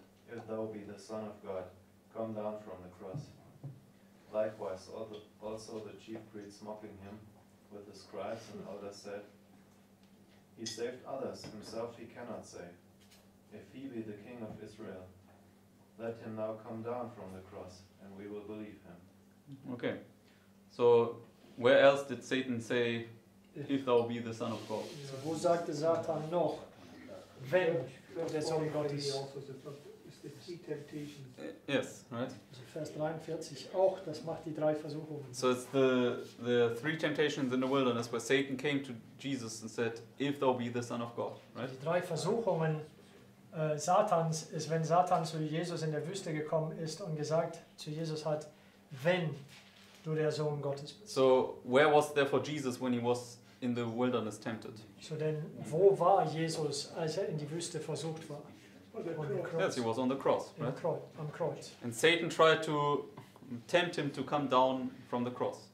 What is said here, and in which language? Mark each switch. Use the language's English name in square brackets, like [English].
[English] If thou be the Son of God, come down from the cross. Likewise, also the chief priests mocking him with the scribes and elders said, he saved others, himself he cannot save. If he be the King of Israel, let him now come down from the cross, and we will believe him. Okay, so where else did Satan say, if thou be the Son of God? [German] Wo sagte Satan noch, wenn der Sohn Gottes? [English] The 3 temptations. Yes, right. [German] So, Vers 43, auch, das macht die 3 Versuchungen. [English] So it's the 3 temptations in the wilderness where Satan came to Jesus and said, if thou be the Son of God, right? [German] Die 3 Versuchungen Satans ist, wenn Satan zu Jesus in der Wüste gekommen ist und gesagt zu Jesus hat, wenn du der Sohn Gottes bist. [English] So, where was therefore Jesus when he was in the wilderness tempted? So then, [German] wo war Jesus, als er in die Wüste versucht war? [English] Yes, he was on the cross, right? [German] Am Kreuz. [English] And Satan tried to tempt him to come down from the cross.